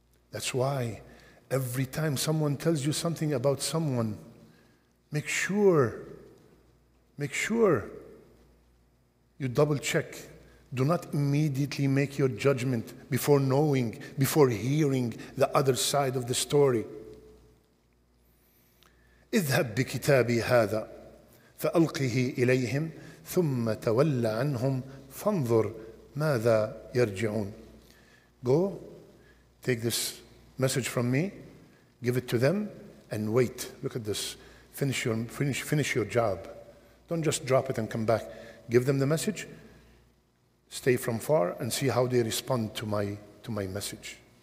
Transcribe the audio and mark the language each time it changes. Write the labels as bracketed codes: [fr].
[en] That's why every time someone tells you something about someone, make sure you double check. Do not immediately make your judgment before knowing, before hearing the other side of the story. [ar] اذهب بكتابي هذا فألقه إليهم ثم تولى عنهم فانظر ماذا يرجعون. [en] Go, take this message from me, give it to them, and wait. Look at this. Finish your job. Don't just drop it and come back. Give them the message. Stay from far and see how they respond to my message.